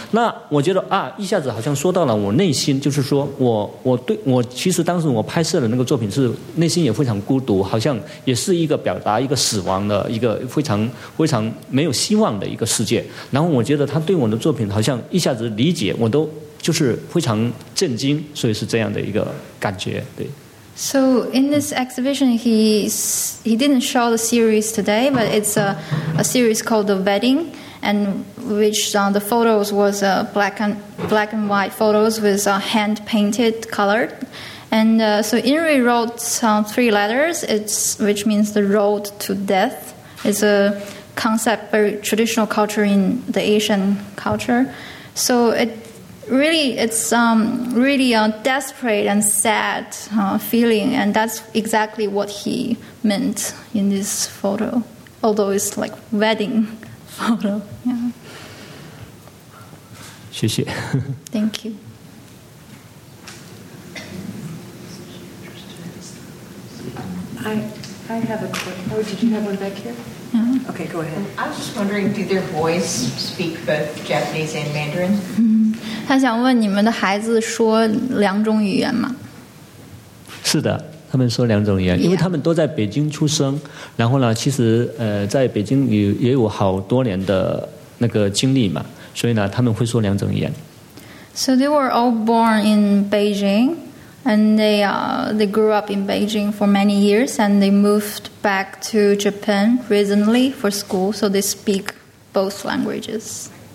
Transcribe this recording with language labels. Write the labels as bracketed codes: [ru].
[zh] 那我觉得啊，一下子好像说到了我内心，就是说我其实当时我拍摄的那个作品是内心也非常孤独，好像也是一个表达一个死亡的一个非常非常没有希望的一个世界。然后我觉得他对我的作品好像一下子理解，我都就是非常震惊，所以是这样的一个感觉，对。 [en] So in this exhibition, he didn't show the series today, but it's a series called The Wedding, and which the photos was black and white photos with hand painted colored, and so Inri wrote three letters, which means the road to death. It's a concept very traditional culture in the Asian culture, so it's really a desperate and sad feeling, and that's exactly what he meant in this photo, although it's like wedding photo. Yeah. [zh] 谢谢。 [en] Thank you. I have a question. Oh, did you have one back here? Yeah. Okay, go ahead. I was just wondering, do their boys speak both Japanese and Mandarin? Mm-hmm. [zh] 他想问你们的孩子说两种语言吗？是的，他们说两种语言，因为他们都在北京出生，然后呢，其实在北京也有好多年的那个经历嘛，所以呢，他们会说两种语言。 [en] So they were all born in Beijing, and they grew up in Beijing for many years, and they moved back to Japan recently for school, so they speak both languages.